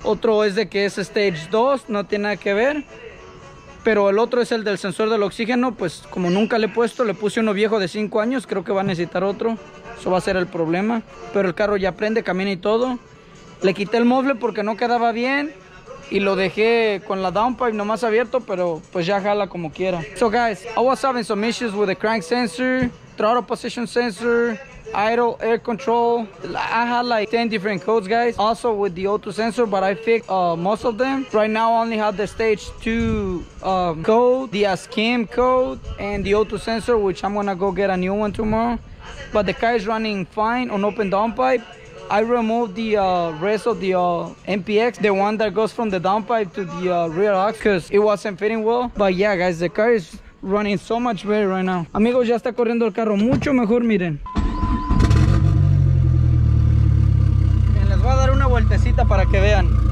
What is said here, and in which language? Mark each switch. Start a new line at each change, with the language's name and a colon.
Spanish: Otro es de que es Stage 2, no tiene nada que ver. Pero el otro es el del sensor del oxígeno, pues como nunca le he puesto, le puse uno viejo de 5 años, creo que va a necesitar otro. Eso va a ser el problema. Pero el carro ya prende, camina y todo. Le quité el mofle porque no quedaba bien. Y lo dejé con la downpipe nomás abierto, pero pues ya jala como quiera.
English: So guys, I was having some issues with the crank sensor, throttle position sensor, idle air control. I had like 10 different codes, guys. Also with the O2 sensor, but I fixed most of them. Right now I only have the stage 2 code, the skim code, and the O2 sensor, which I'm gonna go get a new one tomorrow. But the car is running fine on open downpipe. I removed the rest of the MPX, the one that goes from the downpipe to the rear ax, because it wasn't fitting well. But yeah, guys, the car is running so much better right now.
Spanish: Amigos, ya está corriendo el carro mucho mejor, miren. Bien, les voy a dar una vueltecita para que vean.